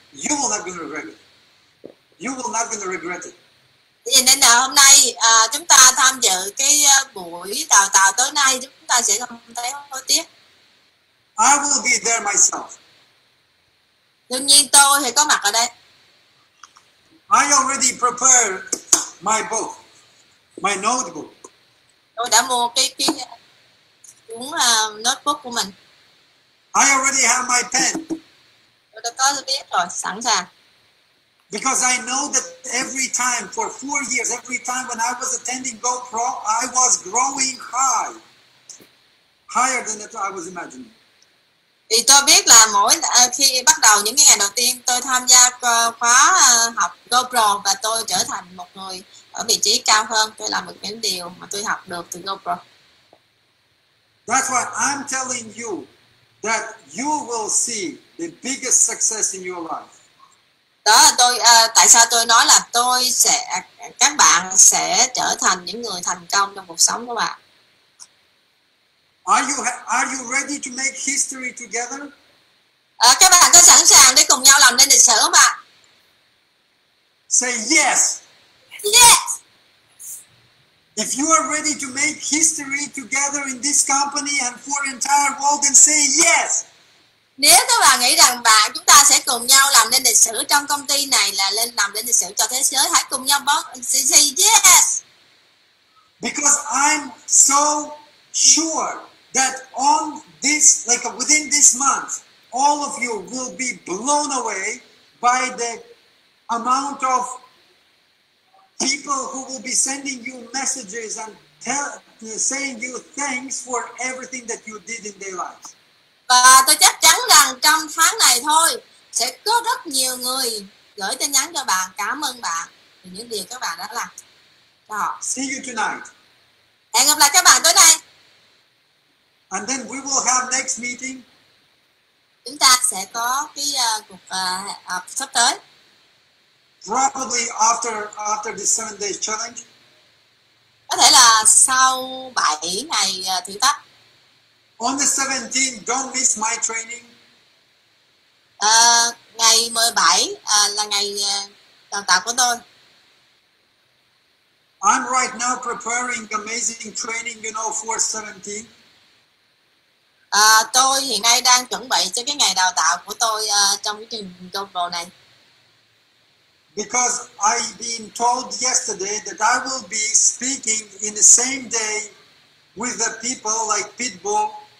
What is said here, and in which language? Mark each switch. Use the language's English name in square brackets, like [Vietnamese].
[English] You will not be regretted. You will not gonna regret it. [Vietnamese] Thì nên là hôm nay chúng ta tham dự cái buổi đào tạo tối nay chúng ta sẽ không thấy hối tiếc. [English] I will be there myself. [Vietnamese] Đương nhiên tôi thì có mặt ở đây. [English] I already prepared my book, my notebook. [Vietnamese] Tôi đã mua cái cuốn notebook của mình. [English] I already have my pen. [Vietnamese] Tôi đã có viết rồi, sẵn sàng. [English] Because I know that every time for 4 years, every time when I was attending GoPro, I was growing high, higher than that I was imagining. [Vietnamese] Thì tôi biết là mỗi khi bắt đầu những ngày đầu tiên tôi tham gia khóa học GoPro và tôi trở thành một người ở vị trí cao hơn, tôi làm được những điều mà tôi học được từ GoPro. [English] That's why I'm telling you that you will see the biggest success in your life. [Vietnamese] Đó là tôi tại sao tôi nói là tôi sẽ các bạn sẽ trở thành những người thành công trong cuộc sống của bạn. [English] Are you ready to make history together? [Vietnamese] Các bạn có sẵn sàng để cùng nhau làm nên lịch sử không ạ? [English] Say yes. Yes. If you are ready to make history together in this company and for entire world, then say yes. [Vietnamese] Nếu các bạn nghĩ rằng bạn chúng ta sẽ cùng nhau làm nên lịch sử trong công ty này là lên làm nên lịch sử cho thế giới, hãy cùng nhau bấm [English] say yes. Because I'm so sure that on this, like within this month, all of you will be blown away by the amount of people who will be sending you messages and saying you thanks for everything that you did in their lives. [Vietnamese] Và tôi chắc chắn rằng trong tháng này thôi sẽ có rất nhiều người gửi tin nhắn cho bạn, cảm ơn bạn vì những điều các bạn đã làm. Đó. [English] See you tonight. [Vietnamese] Hẹn gặp lại các bạn tối nay. [English] And then we will have next meeting. [Vietnamese] Chúng ta sẽ có cái cuộc họp sắp tới. [English] Probably after the 7 days challenge. [Vietnamese] Có thể là sau 7 ngày thử thách. [English] On the 17th, don't miss my training. [Vietnamese] Ngày 17 là ngày đào tạo của tôi. [English] I'm right now preparing amazing training, you know, for 17. [Vietnamese] Tôi hiện nay đang chuẩn bị cho cái ngày đào tạo của tôi trong cái trình combo này. [English] Because I've been told yesterday that I will be speaking in the same day with the people like Pitbull.